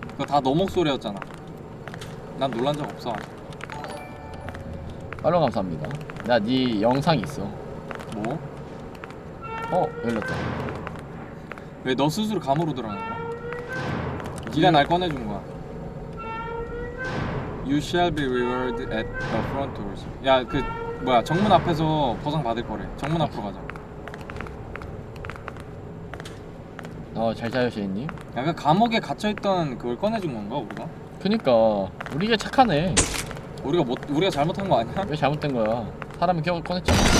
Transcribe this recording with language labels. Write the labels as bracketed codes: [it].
[ko] 그거 다 너 목소리였잖아. 난 놀란 적 없어. 빨로 감사합니다. 나 네 영상 있어. 뭐? 어 열렸다. 왜 너 스스로 감으로 들어간 거야? 네가 날 꺼내준 거야. [en] You shall be rewarded at the front doors. [ko] 야, 그 뭐야 정문 앞에서 보상 받을 거래. 정문 앞으로 가자. 어 잘 자요 제이님. 야, 그 감옥에 갇혀있던 그걸 꺼내준 건가 우리가? 그니까 우리가 착하네. 우리가 못 우리가 잘못한 거 아니야? 왜 잘못된 거야? 사람은 겨우 꺼냈잖아.